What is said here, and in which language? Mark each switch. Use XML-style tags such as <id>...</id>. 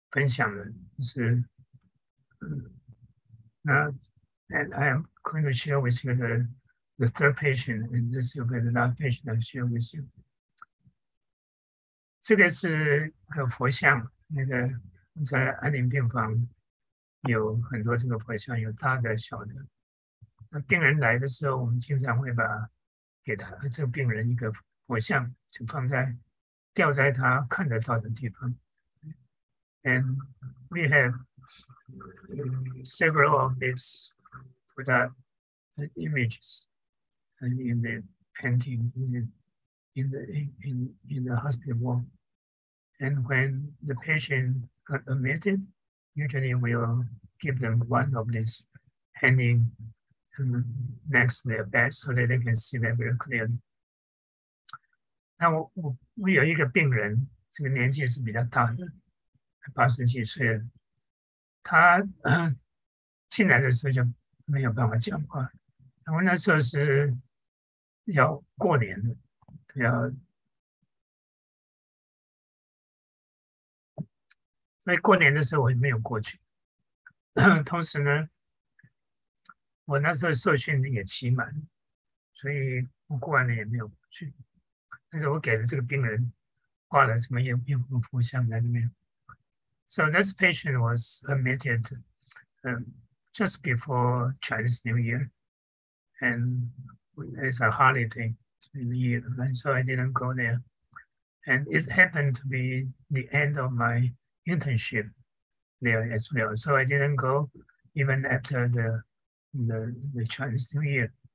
<en>So now, and I am going to share with you the third patient, and this will be the last patient I share with you.</en> <zh>这个是个佛像，那个在安宁病房，有很多这个佛像，有大的小的。那病人来的时候，我们经常会把给他这个病人一个佛像，就放在吊在他看得到的地方。</zh> <en>And we have several of these Buddha images in the painting in the hospital. And when the patient got admitted, usually we'll give them one of these hanging next to their bed so that they can see them very clearly.</en> <zh>那我有一个病人，这个年纪是比较大的，80几岁了。他进来的时候就没有办法讲话。然后那时候是要过年的，要，所以过年的时候我也没有过去。同时呢，我那时候受训也期满，所以我过完年也没有过去。但是我给了这个病人挂了什么烟火佛像在那边。</zh> <en>So this patient was admitted just before Chinese New Year, and it's a holiday in the year, and so I didn't go there. And it happened to be the end of my internship there as well, so I didn't go even after the Chinese New Year.</en>